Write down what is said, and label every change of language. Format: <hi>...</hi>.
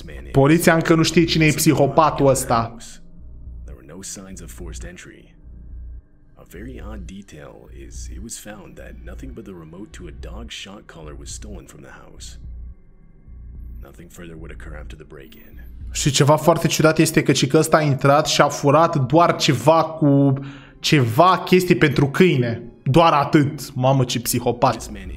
<ro>Poliția încă nu știe cine e psihopatul ăsta.</ro> <en>Signs of forced entry. A very odd detail is it was found that nothing but the remote to a dog shock collar was stolen from the house. Nothing further would occur after the break-in.</en> <ro>Și ceva foarte ciudat este că cică ăsta a intrat și a furat doar ceva cu ceva chestii pentru câine, doar atât. Mamă, ce psihopat.</ro>